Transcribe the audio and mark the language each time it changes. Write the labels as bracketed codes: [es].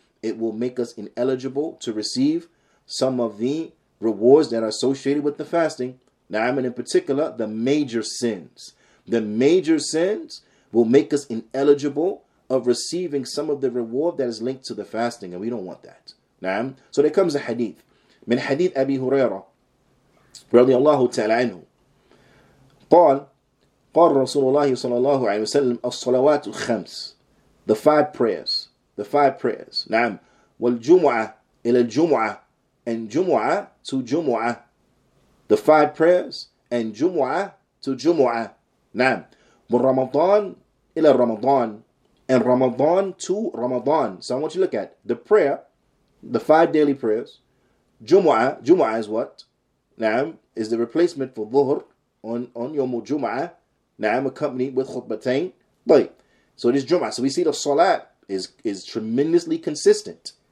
[en] It will make us ineligible to receive some of the rewards that are associated with the fasting. Na'am, and in particular, the major sins. The major sins will make us ineligible of receiving some of the reward that is linked to the fasting. And we don't want that. Na'am. So there comes a hadith. [ar] Min hadith Abi Hurairah. رضي الله تعالى عنه قال قال رسول الله صلى الله عليه وسلم الصلوات الخمس [en] the five prayers [ar] نعم والجمعة إلى الجمعة [en] and جمعة to جمعة [ar] the five prayers and جمعة to جمعة نعم من رمضان إلى رمضان [en] and رمضان to رمضان. So I want you to look at the prayer, the five daily prayers. جمعة, جمعة is what? Na'am, is the replacement for dhuhr on Yom Jum'ah. Na'am, accompanied with khutbatayn. [ar] طيب. [en] So it is Jum'ah. So we see the salah is tremendously consistent.